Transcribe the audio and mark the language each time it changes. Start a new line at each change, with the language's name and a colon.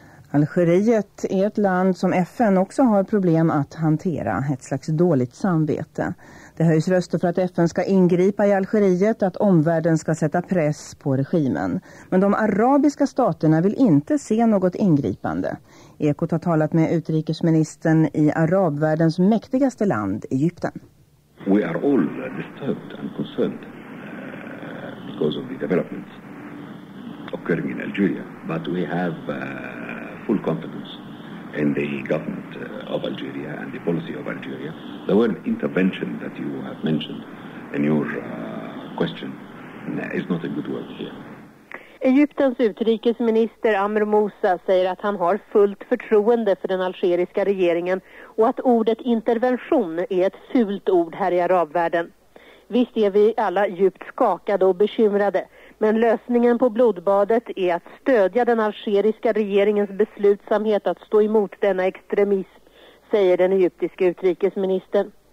Swedish: Algeriet är ett land som FN också har problem att hantera, ett slags dåligt samvete. Det höjs röster för att FN ska ingripa i Algeriet, att omvärlden ska sätta press på regimen. Men de arabiska staterna vill inte se något ingripande. Ekot har talat med utrikesministern i arabvärldens mäktigaste land, Egypten.
English: We are all disturbed and concerned because of the developments occurring in Algeria. But we have full confidence in the government of Algeria and the policy of Algeria. The word intervention that you have mentioned in your question is not a good word here.
Swedish: Egyptens utrikesminister Amr Moussa säger att han har fullt förtroende för den algeriska regeringen och att ordet intervention är ett fult ord här i arabvärlden. Visst är vi alla djupt skakade och bekymrade, men lösningen på blodbadet är att stödja den algeriska regeringens beslutsamhet att stå emot denna extremism, säger den egyptiska utrikesministern.